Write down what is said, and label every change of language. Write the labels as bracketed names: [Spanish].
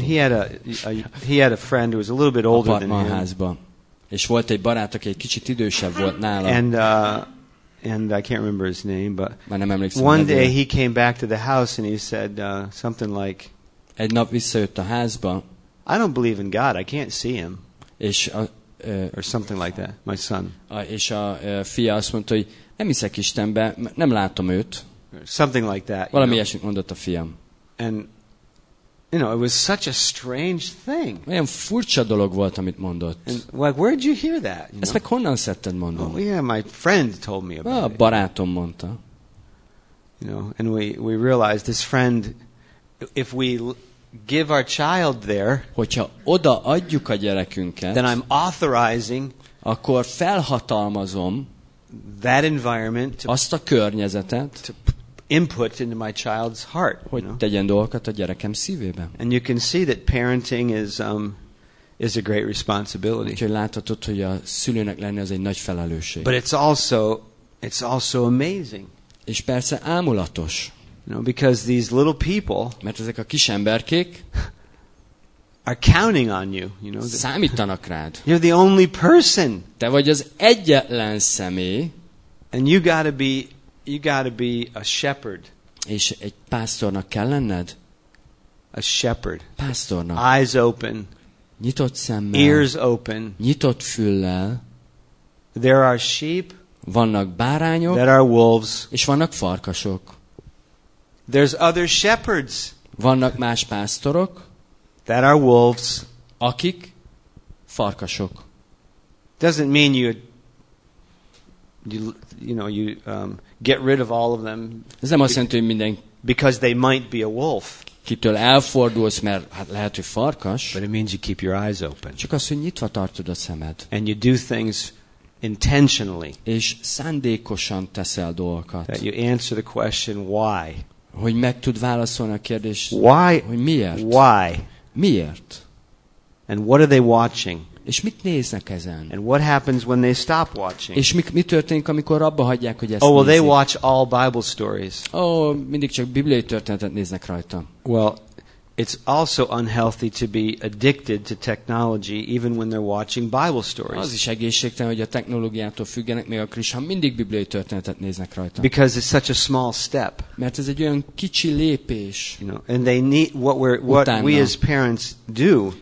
[English] And he had a friend who was a little bit older than him. [Hungarian] A házban. És volt egy barát, aki egy kicsit idősebb volt nála. [English] And I can't remember his name, but one day he came back to the house and he said something like, [Hungarian] egy nap visszajött a házba. [English] I don't believe in God. I can't see him. [Hungarian] És [English] or something like that. My son. [Hungarian] És a fia azt mondta, hogy nem hiszek Istenbe, nem látom őt. [English] Something like that. [Hungarian] Valami ilyesmit mondott a fiam. [English] And you know, it was such a strange thing. [Hungarian] Olyan furcsa dolog volt, amit mondott. [English] And, like, where did you hear that? [Hungarian] Ezt meg honnan szedted, mondom? [English] Oh, yeah, my friend told me about it. [Hungarian] A barátom mondta. [English] You know, and we realized this friend, if we give our child there, [Hungarian] hogyha oda adjuk a gyerekünket, [English] then I'm authorizing, [Hungarian] akkor felhatalmazom [English] that environment, [Hungarian] azt a környezetet, [English] to input into my child's heart, [Hungarian] hogy [English] you know? [Hungarian] Tegyen dolgokat a gyerekem szívében. [English] And you can see that parenting is a great responsibility. [Hungarian] Úgyhogy láthatod, hogy a szülőnek lenni az egy nagy felelősség. [English] But it's also amazing. [Hungarian] És persze ámulatos. [English] You know, because these little people, [Hungarian] mert ezek a kis emberkék, [English] are counting on you. You know, [Hungarian] számítanak rád. [English] You're the only person. [Hungarian] Te vagy az egyetlen személy, [English] and you gotta be a shepherd. [Hungarian] És egy pásztornak kell lenned. [English] A shepherd. [Hungarian] Pásztornak. [English] Eyes open. [Hungarian] Nyitott szemmel. [English] Ears open. [Hungarian] Nyitott füllel. [English] There are sheep. [Hungarian] Vannak bárányok. [English] There are wolves. [Hungarian] És vannak farkasok. [English] There's other shepherds. [Hungarian] Vannak más pásztorok. [English] That are wolves. [Hungarian] Akik farkasok. [English] Doesn't mean you get rid of all of them. [Hungarian] Ez nem azt jelenti, hogy minden, [English] because they might be a wolf. [Hungarian] Kitől elfordulsz, mert hát lehet, hogy farkas. [English] But it means you keep your eyes open. [Hungarian] Csak az, hogy nyitva tartod a szemed. [English] And you do things intentionally. [Hungarian] És szándékosan teszel dolgokat. [English] That you answer the question why. [Hungarian] Hogy meg tud válaszolni a kérdést. [English] Why? [Hungarian] Hogy miért? [English] Why? [Hungarian] Miért? [English] And what are they watching? [Hungarian] És mit néznek ezen? [English] And what happens when they stop watching? [Hungarian] És mi történik, amikor abba hagyják, hogy ezt nézik? [English] Oh, well, they watch all Bible stories. [Hungarian] Oh, mindig csak bibliai történetet néznek rajta. [English] Well, it's also unhealthy to be addicted to technology even when they're watching Bible stories. [Hungarian] Az is egészségtelen, hogy a technológiától függenek, még akkor is, ha mindig bibliai történetet néznek rajta. [English] Because it's such a small step. [Hungarian] Mert ez egy olyan kicsi lépés. [English] You know, and they need what we as parents do.